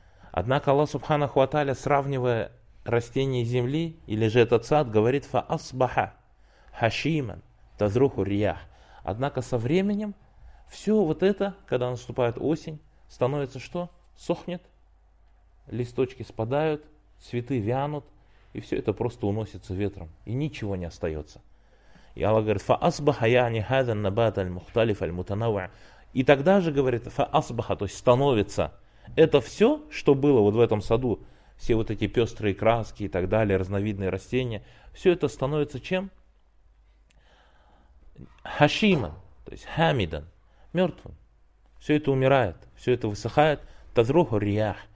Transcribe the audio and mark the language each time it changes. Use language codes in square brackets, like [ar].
[ru] Однако, Аллах Субханаху ва Тааля, сравнивая растения земли, или же этот сад, говорит, [ar] фа асбаха хашиман тазруху рьях. [ru] Однако, со временем, все вот это, когда наступает осень, становится что? Сохнет, листочки спадают, цветы вянут, и все это просто уносится ветром, и ничего не остается. И Аллах говорит, [ar] فَأَصْبَحَ يَعْنِ هَذَا النَّبَاتَ الْمُخْتَلِفَ الْمُتَنَوَعَ. [ru] И тогда же, говорит, فَأَصْبَحَ, то есть становится. Это все, что было вот в этом саду, все вот эти пестрые краски и так далее, разновидные растения, все это становится чем? Хашиман, то есть хамидан. Мертвым. Все это умирает, все это высыхает. Тадруху риях.